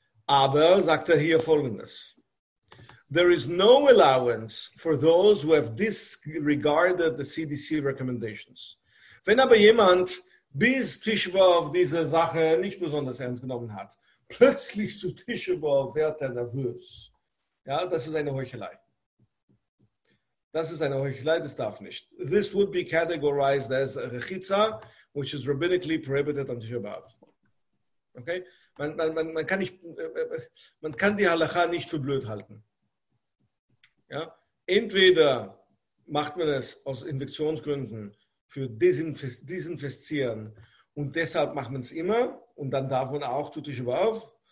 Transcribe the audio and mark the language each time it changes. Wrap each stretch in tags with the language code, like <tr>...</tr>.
<de>Aber sagt hier Folgendes:</de> <en>There is no allowance for those who have disregarded the CDC recommendations.</en> <de>Wenn aber jemand bis Tisch auf diese Sache nicht besonders ernst genommen hat, plötzlich zu Tisch auf wird er nervös. Ja, das ist eine Heuchelei. Das ist eine Heuchelei, das darf nicht.</de> <en>This would be categorized as a rechitza, which is rabbinically prohibited on Tisha B'Av. Okay?</en> <de>Man kann die Halacha nicht für blöd halten. Ja? Entweder macht man es aus Infektionsgründen für Desinfizieren und deshalb macht man es immer und dann darf man auch zu Tisha B'Av.</de>